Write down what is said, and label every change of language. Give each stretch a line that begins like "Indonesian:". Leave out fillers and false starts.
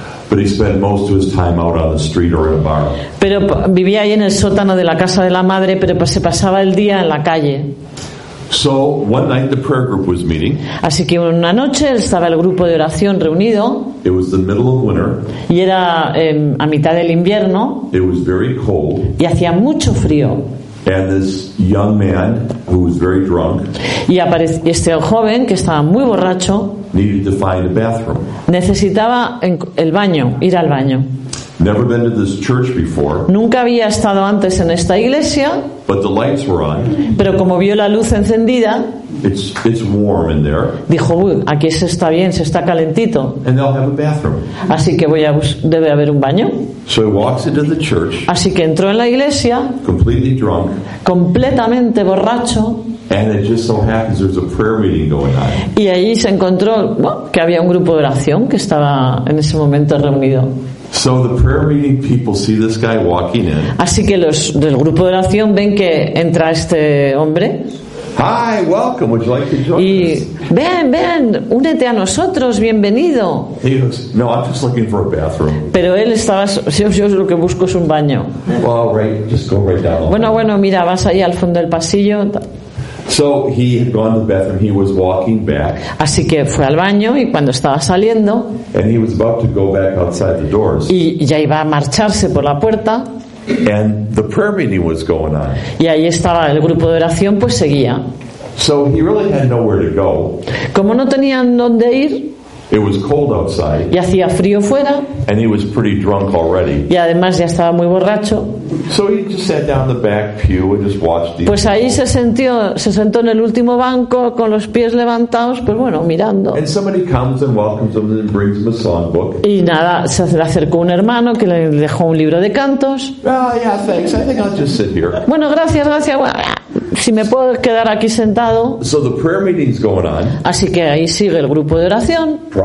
English: But he spent most of his time out on the street or in a bar.
Spanish: Pero vivía ahí en el sótano de la casa de la madre, pero se pasaba el día en la calle.
English: So one night the prayer group was meeting.
Spanish: Así que una noche estaba el grupo de oración reunido.
English: It was the middle of winter.
Spanish: Y era a mitad del invierno.
English: It was very cold.
Spanish: Y hacía mucho frío.
English: And this young man who was very drunk.
Spanish: Y este joven que estaba muy borracho.
English: Needed to find a bathroom.
Spanish: Necesitaba el baño, ir al baño.
English: Never been to this church before.
Spanish: Nunca había estado antes en esta iglesia.
English: But the lights were on.
Spanish: Pero como vio la luz encendida,
English: it's warm in there.
Spanish: Dijo, aquí se está bien, se está calentito.
English: And they'll have a bathroom.
Spanish: Así que debe haber un baño.
English: So he walks into the church.
Spanish: Así que entró en la iglesia.
English: Completely drunk.
Spanish: Completamente borracho.
English: And it just so happens there's a prayer meeting going on.
Spanish: Y allí se encontró que había un grupo de oración que estaba en ese momento reunido.
English: So the prayer meeting people see this guy walking in.
Spanish: Así que los del grupo de oración ven que entra este hombre.
English: Hi, welcome. Would you like to join us?
Spanish: Y ven, únete a nosotros, bienvenido.
English: He goes, no, I'm just looking for a bathroom.
Spanish: Pero él estaba, yo lo que busco es un baño.
English: Well, right, just go right down.
Spanish: Bueno, mira, vas ahí al fondo del pasillo.
English: So he had gone to the bathroom. He was walking back.
Spanish: Así que fue al baño y cuando estaba saliendo.
English: And he was about to go back outside the doors.
Spanish: Y ya iba a marcharse por la puerta.
English: And the prayer meeting was going on.
Spanish: Y ahí estaba el grupo de oración, pues seguía.
English: So he really had nowhere to go.
Spanish: Como no tenían dónde ir.
English: It was cold outside.
Spanish: Y hacía frío fuera.
English: And he was pretty drunk already.
Spanish: Y además ya estaba muy borracho.
English: So he just sat down in the back pew and just watched the.
Spanish: Pues ahí se sentó en el último banco con los pies levantados, pues bueno, mirando.
English: And somebody comes and welcomes him and brings him a songbook.
Spanish: Y nada, se acercó un hermano que le dejó un libro de cantos.
English: Oh, yeah, thanks. I think I'll just sit here.
Spanish: Bueno, gracias. Si me puedo quedar aquí sentado.
English: So the prayer meeting's going on.
Spanish: Así que ahí sigue el grupo de oración.